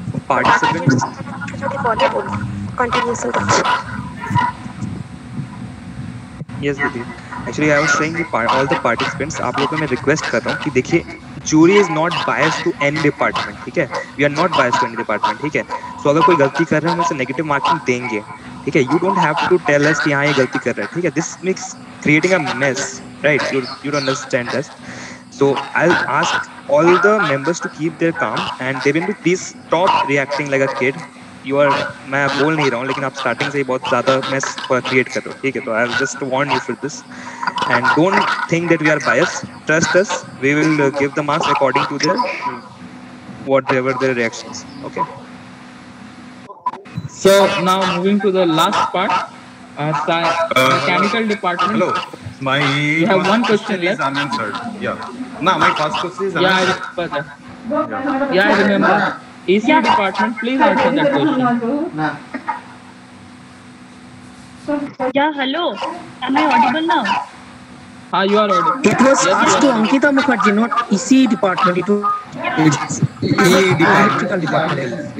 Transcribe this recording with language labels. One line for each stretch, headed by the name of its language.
Bangla: Participants যদি বলে বলো কন্টিনিউয়াসলি হচ্ছে।
English: Yes, Didi. Actually, I was saying to all the participants,
Hindi: आप लोगों को मैं request कर रहा हूँ कि देखिए,
English: jury is not biased to any department,
Hindi: ठीक है?
English: We are not biased to any department,
Hindi: ठीक है? So अगर कोई गलती कर रहा है, हम उसे negative marking देंगे, ठीक है?
English: You don't have to tell us
Hindi: कि हाँ ये गलती कर रहा है, ठीक है?
English: This makes creating a mess, right? You don't understand us. So I'll ask all the members to keep their calm and they will please stop reacting like a kid. You are,
Hindi: मैं बोल नहीं रहा हूँ लेकिन आप starting से ही बहुत ज़्यादा मेस क्रिएट कर रहे हो, ठीक है? तो
English: I just want you for this and don't think that we are bias, trust us, we will give the marks according to their whatever their reactions, okay? So now moving to the last part, mechanical department. Hello, my you have one question left, is unanswered, yeah ना, my first question is unanswered, yeah I remember, yeah I remember AC yeah. department, please answer that question. Yeah, hello. Am I audible now? Ah, you are audible. It was yes, asked to Ankita Mukherjee, not AC department. It was AC department. Electrical department.